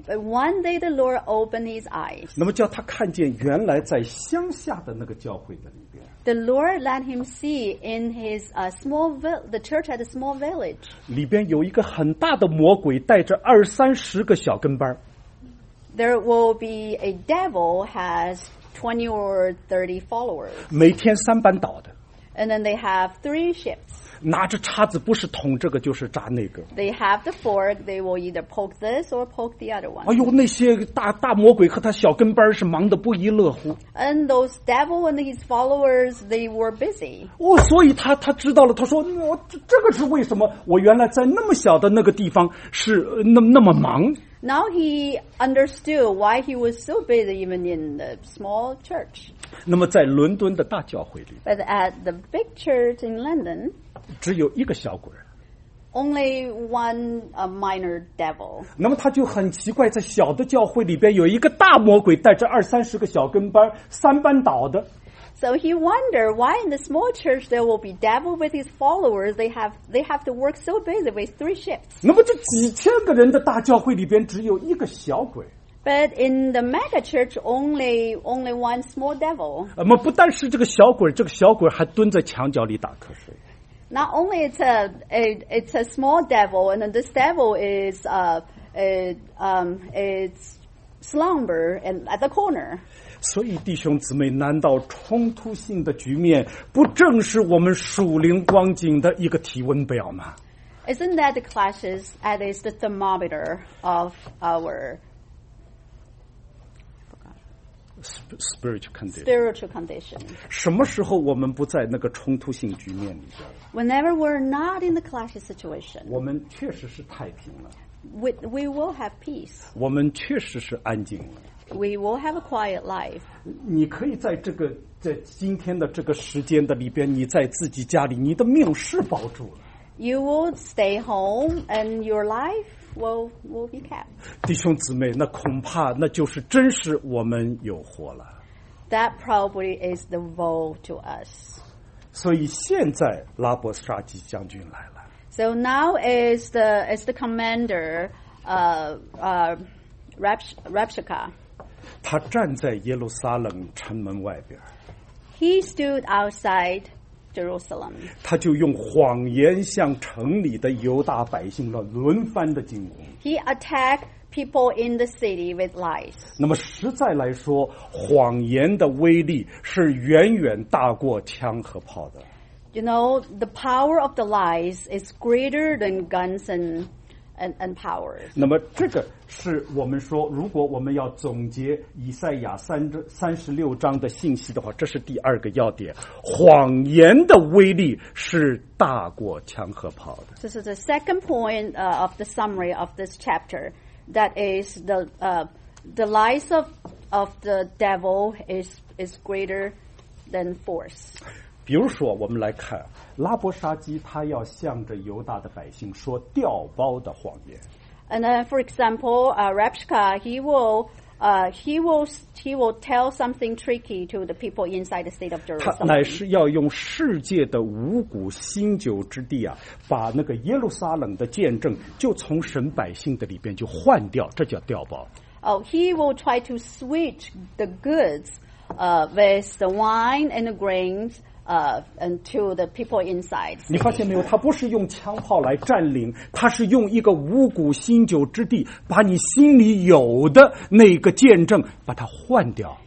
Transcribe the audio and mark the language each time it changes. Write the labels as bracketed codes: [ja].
[en] But one day the Lord opened his eyes. [zh] 那么叫他看见原来在乡下的那个教会的里边。 [en] The Lord let him see in his small village, the church at a small village. [zh] 里边有一个很大的魔鬼带着二三十个小跟班。 [en] There will be a devil has 20 or 30 followers. [zh] 每天三班倒的。 [en] And then they have three shifts. [zh] 拿着叉子不是捅这个就是扎那个。 [en] They have the fork. They will either poke this or poke the other one. [zh] 哎呦，那些大魔鬼和他小跟班是忙得不亦乐乎。 [en] And those devil and his followers, they were busy. [zh] 哦，所以他知道了。他说：“我这个是为什么？我原来在那么小的那个地方是那么忙。” [en] Now he understood why he was so busy even in the small church. [zh] 那么在伦敦的大教会里。 [en] But at the big church in London. [zh] 只有一个小鬼 [en] Only one minor devil. [zh] 那么他就很奇怪，在小的教会里边有一个大魔鬼带着二三十个小跟班，三班倒的。 [en] So he wondered why in the small church there will be devil with his followers. They have to work so busy with three shifts. [zh] 那么这几千个人的大教会里边只有一个小鬼。 [en] But in the mega church, only one small devil. [zh] 那么不但是这个小鬼，这个小鬼还蹲在墙角里打瞌睡。 [en] Not only it's a small devil, and then this devil is slumber and at the corner. [zh] 所以弟兄姊妹，难道冲突性的局面不正是我们属灵光景的一个体温表吗？ [en] Isn't that the clashes that is the thermometer of our spiritual condition? [zh] 什么时候我们不在那个冲突性局面里边？ [en] Whenever we're not in the clashy situation, [zh] 我们确实是太平了。 [en] We will have peace. [zh] 我们确实是安静了。 [en] We will have a quiet life. [zh] 你可以在这个在今天的这个时间的里边，你在自己家里，你的命是保住了。 [en] You will stay home, and your life will be kept. [zh] 弟兄姊妹，那恐怕那就是真是我们有活了。 [en] That probably is the vow to us. [zh] 所以现在拉伯沙基将军来了。 [en] So now is the commander Rabshakeh. [zh] 他站在耶路撒冷城门外边。 [en] He stood outside Jerusalem. [zh] 他就用谎言向城里的犹大百姓了轮番的进攻。 [en] He attacked people in the city with lies. [zh] 那么实在来说，谎言的威力是远远大过枪和炮的。 [en] You know, the power of the lies is greater than guns and powers. [zh] 那么这个是我们说，如果我们要总结以赛亚36章的信息的话，这是第二个要点：谎言的威力是大过枪和炮的。 [en] This is the second point of the summary of this chapter. That is the lies of the devil is greater than force. [zh] 比如说，我们来看。拉伯沙基他要向着犹大的百姓说调包的谎言。 [en] And then, for example, Rabshakeh, he will tell something tricky to the people inside the state of Jerusalem. [zh] 他乃是要用世界的五谷新酒之地啊，把那个耶路撒冷的见证就从神百姓的里边就换掉，这叫调包。 [en] Oh, he will try to switch the goods, with the wine and the grains. And to the people inside. [zh] 你发现没有？他不是用枪炮来占领，他是用一个五谷新酒之地，把你心里有的那个见证把它换掉。